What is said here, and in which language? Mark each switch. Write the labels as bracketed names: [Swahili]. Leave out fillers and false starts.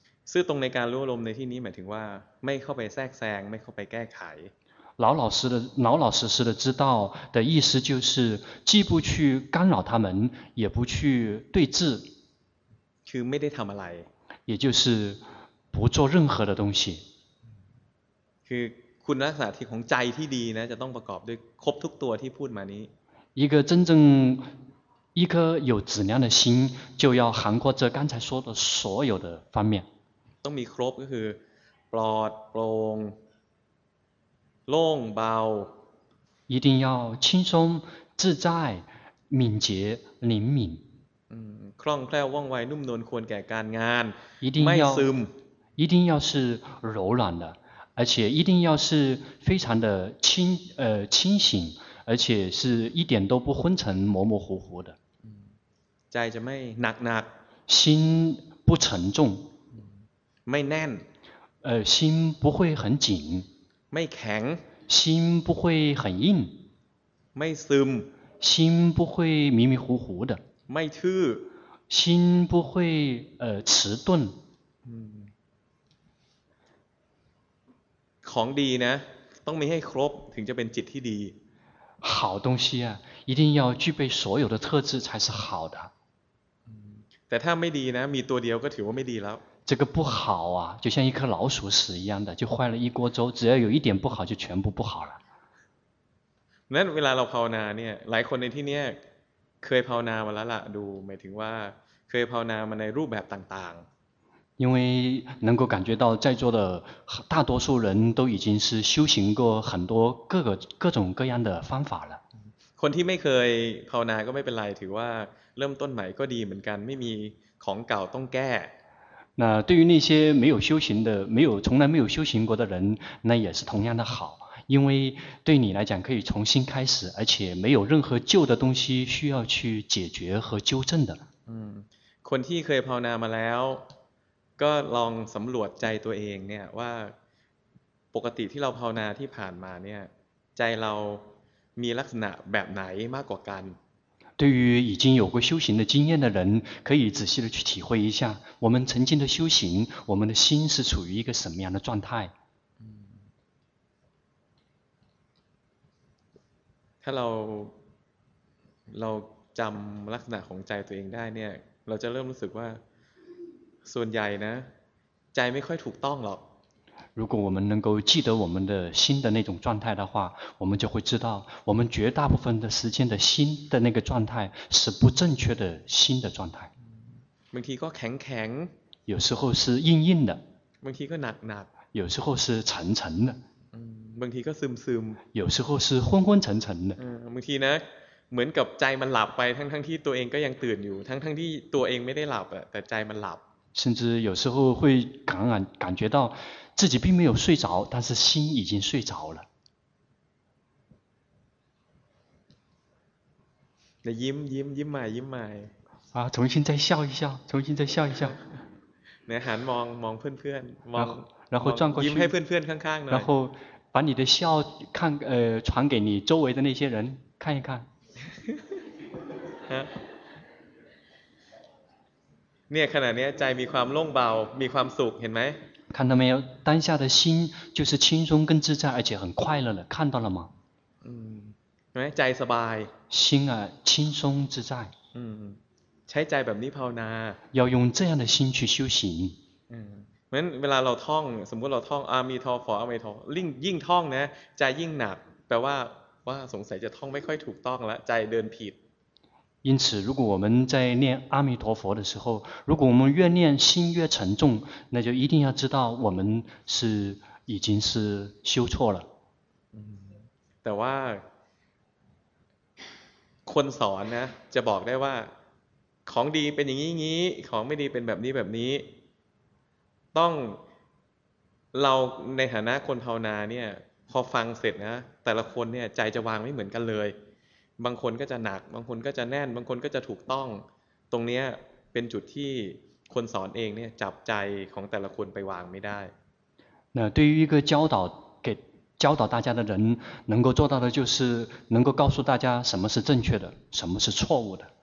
[Thai] ซื่อตรงในการรู้อารมณ์ในที่นี้หมายถึงว่าไม่เข้าไปแทรกแซงไม่เข้าไปแก้ไข [Chinese] 老老实实的知道的意思就是既不去干扰他们也不去对峙 [Thai] คือไม่ได้ทำอะไร [Chinese] 也就是不做任何的东西 [Thai] คือคุณลักษณะที่ของใจที่ดีนะจะต้องประกอบด้วยครบทุกตัวที่พูดมานี้ [Chinese] 一个真正一颗有质量的心就要涵括这刚才说的所有的方面 [Thai] ต้องมีครบก็คือปลอดโปร่งโล่งเบา [Chinese] 一定要轻松自在敏捷灵敏 [Thai] คล่องแคล่วว่องไวนุ่มนวลควรแก่การงาน ไม่ซึม [Chinese] 一定要是柔软的而且一定要是非常的清醒而且是一点都不昏沉模模糊糊的 [Thai] ใจจะไม่หนักหนัก [Chinese] 心不沉重 [Thai] ไม่แน่น [Chinese] 心不会很紧 [Thai] ไม่แข็ง [Chinese] 心不会很硬 [Thai] ไม่ซึม [Chinese] 心不会迷迷糊糊的 [Thai] ไม่ทื่อ [Chinese] 心不会迟钝 [Thai] ของดีนะต้องมีให้ครบถึงจะเป็นจิตที่ดี [Chinese] 好东西啊一定要具备所有的特质才是好的 [Thai] แต่ถ้าไม่ดีนะมีตัวเดียวก็ถือว่าไม่ดีแล้ว [Chinese] 这个不好啊就像一颗老鼠屎一样的就坏了一锅粥只要有一点不好就全部不好了 [Thai] นั้นเวลาเราภาวนาเนี่ยหลายคนในที่เนี้ยเคยภาวนามาแล้วล่ะดูหมายถึงว่าเคยภาวนามาในรูปแบบต่างๆ [Chinese] 因为能够感觉到在座的大多数人都已经是修行过很多各种各样的方法了 [Thai] คนที่ไม่เคยภาวนาก็ไม่เป็นไรถือว่าเริ่มต้นใหม่ก็ดีเหมือนกันไม่มีของเก่าต้องแก้ [Chinese] 那对于那些没有修行的没有从来没有修行过的人那也是同样的好因为对你来讲可以重新开始而且没有任何旧的东西需要去解决和纠正的 [Thai] คนที่เคยภาวนามาแล้วก็ลองสำรวจใจตัวเองเนี่ยว่าปกติที่เราภาวนาที่ผ่านมาเนี่ยใจเรามีลักษณะแบบไหนมากกว่ากัน [Chinese] 对于已经有过修行的经验的人可以仔细的去体会一下我们曾经的修行我们的心是处于一个什么样的状态 [Thai] ถ้าเราจำลักษณะของใจตัวเองได้เนี่ยเราจะเริ่มรู้สึกว่าส่วนใหญ่นะใจไม่ค่อยถูกต้องหรอก [Chinese] 如果我们能够记得我们的心的那种状态的话我们就会知道我们绝大部分的时间的心的那个状态是不正确的心的状态 [Thai] บางทีก็แข็ง [Chinese] ๆ有时候是硬硬的 [Thai] บางทีก็หนัก [Chinese] ๆ有时候是沉沉的 [Thai] บางทีก็ซึมๆ [Chinese] 有时候是昏昏沉沉的 [Thai] บางทีนะ เหมือนกับใจมันหลับไปทั้งที่ตัวเองก็ยังตื่นอยู่ทั้งที่ตัวเองไม่ได้หลับอ่ะแต่ใจมันหลับ [Chinese] 甚至有时候会感觉到自己并没有睡着但是心已经睡着了 [Thai] 那ยิ้มใหม่ [Chinese] 啊重新再笑一笑重新再笑一笑 [Thai] 那หันมองเพื่อนๆมอง แล้วก็จ้อง ยิ้มให้เพื่อนๆข้างๆ แล้วก็ [Chinese] 把你的笑看传给你周围的那些人看一看 [Thai] เนี่ยขณะนี้ใจมีความโล่งเบามีความสุขเห็นไหม [Chinese] 看到没有当下的心就是轻松跟自在而且很快乐了看到了吗嗯 [Thai] ไหมใจสบาย [Chinese] 心啊轻松自在 [Thai] 嗯ใช้ใจแบบนี้ภาวนา [Chinese] 要用这样的心去修行 [Thai] 嗯เวลาเราท่องสมมติเราท่องอามีทอฟออามีทอยิ่งท่องนะใจยิ่งหนักแปลว่าสงสัยจะท่องไม่ค่อยถูกต้องแล้วใจเดินผิด [Chinese] 因此如果我们在念阿弥陀佛的时候如果我们越念心越沉重那就一定要知道我们是已经是修错了 [Thai] แต่ว่าคนสอนนะจะบอกได้ว่าของดีเป็นอย่างนี้ของไม่ดีเป็นแบบนี้แบบนี้ต้องเราในฐานะคนภาวนาเนี่ยพอฟังเสร็จนะแต่ละคนเนี่ยใจจะวางไม่เหมือนกันเลยบางคนก็จะหนักบางคนก็จะแน่นบางคนก็จะถูกต้องตรงนี้เป็นจุดที่คนสอนเองเนี่ยจับใจของแต่ละคนไปวางไม่ได้ [Chinese] 那对于一个教导大家的人能够做到的就是能够告诉大家什么是正确的什么是错误的